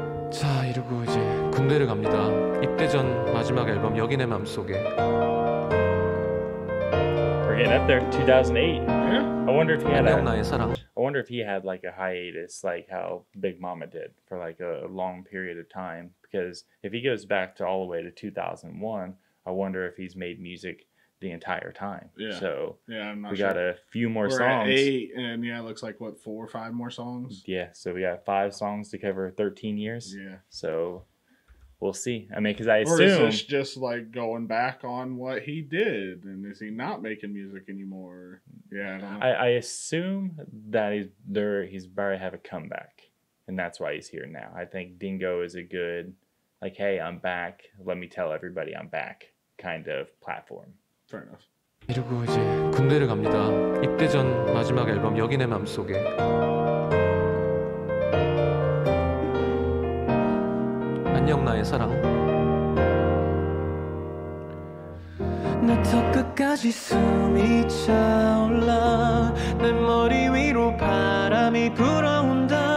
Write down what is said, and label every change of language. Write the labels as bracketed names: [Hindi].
[Korean] 자 이러고 이제 군대를 갑니다 입대 전 마지막 앨범 여기 내 맘속에 [English] We're getting up there 2008 I wonder if he had [Korean] 나의 사랑 [English] I wonder if he had like a hiatus like how Big Mama did for like a long period of time because if he goes back to all the way to 2001 I wonder if he's made music the entire time yeah so yeah I'm not we sure. got a few more We're songs at eight and yeah it looks like what four or five more songs yeah so we got five songs to cover 13 years yeah so We'll see. I mean, because I assume... Or is this just like going back on what he did? And is he not making music anymore? Yeah, I don't know. I assume that he's about to have a comeback. And that's why he's here now. I think Dingo is a good, like, hey, I'm back. Let me tell everybody I'm back kind of platform. Fair enough. [Korean] 그리고 이제 군대를 갑니다. 입대 전 마지막 앨범 여기네 맘 속에. 안녕 나의 사랑. 나 턱 끝까지 숨이 차올라 내 머리 위로 바람이 불어온다